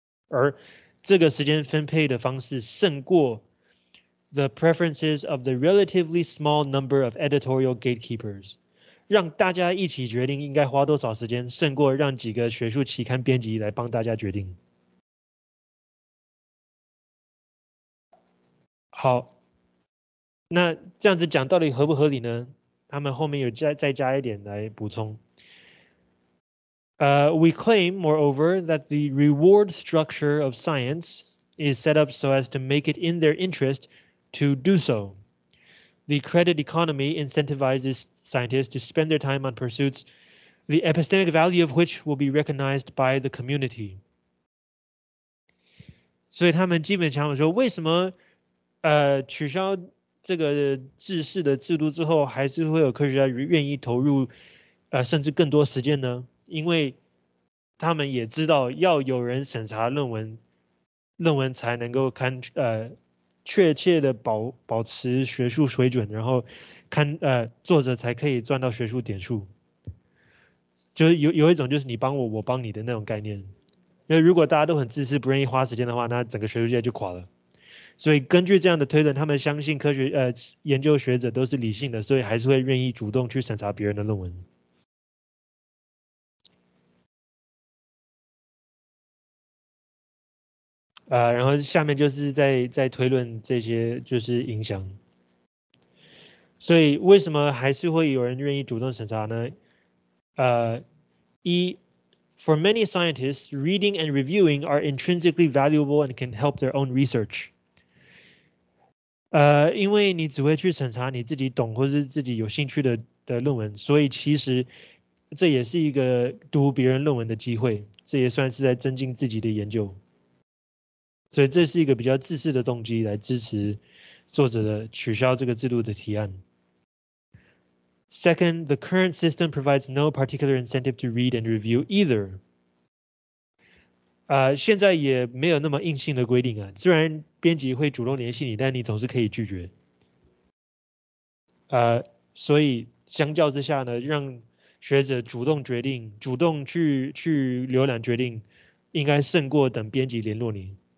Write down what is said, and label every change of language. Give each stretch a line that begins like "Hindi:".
Chinese: 而这个时间分配的方式胜过
English: the preferences of the relatively small number of editorial gatekeepers，
Chinese: 让大家一起决定应该花多少时间，胜过让几个学术期刊编辑来帮大家决定。好，那这样子讲到底合不合理呢？他们后面有再加一点来补充。
English: We claim, moreover, that the reward structure of science is set up so as to make it in their interest to do so. The credit economy incentivizes scientists to spend their time on pursuits, the epistemic value of which will be recognized by the community.
Chinese: 所以他们基本上说，为什么取消这个制式的制度之后，还是会有科学家愿意投入甚至更多时间呢？因为他们也知道要有人审查论文才能够看确切的保持学术水准，然后看作者才可以赚到学术点数。就是有一种就是你帮我，我帮你的那种概念。因为如果大家都很自私，不愿意花时间的话，那整个学术界就垮了。所以根据这样的推论，他们相信科学研究学者都是理性的，所以还是会愿意主动去审查别人的论文。然后下面就是在推论这些就是影响。所以为什么还是会有人愿意主动审查呢？一，
English: For many scientists, reading and reviewing are intrinsically valuable and can help their own research.
Chinese: 因为你只会去审查你自己懂或是自己有兴趣 的论文，所以其实这也是一个读别人论文的机会，这也算是在增进自己的研究。所以这是一个比较自私的动机来支持作者的取消这个制度的提案。
English: Second, the current system provides no particular incentive to read and review either.
Chinese: 现在也没有那么硬性的规定啊，虽然编辑会主动联系你，但你总是可以拒绝。所以相较之下呢，让学者主动决定，主动去浏览决定，应该胜过等编辑联络你。